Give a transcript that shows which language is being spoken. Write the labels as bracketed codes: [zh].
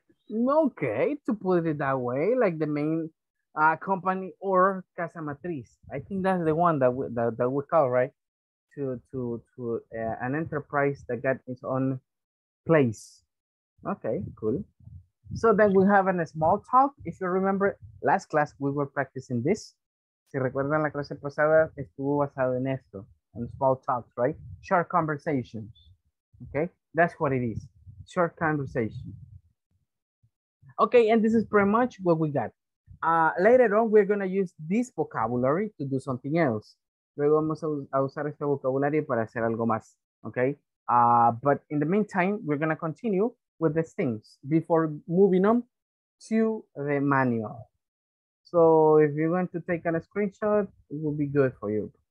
[en] Okay, to put it that way, like the main company or casa matriz. I think that's the one that we call, right? To an enterprise that got its own place. Okay, cool. So then we have a small talk. If you remember, last class we were practicing this. [es] Si recuerdan la clase pasada, estuvo basado en esto, en small talks, right? [en] Short conversations. Okay, that's what it is. Short conversation. Okay, and this is pretty much what we got. Later on, we're going to use this vocabulary to do something else. [es] Luego vamos a usar este vocabulario para hacer algo más, okay? [en] But in the meantime, we're gonna continue with these things before moving on to the manual. So if you want to take a screenshot, it will be good for you.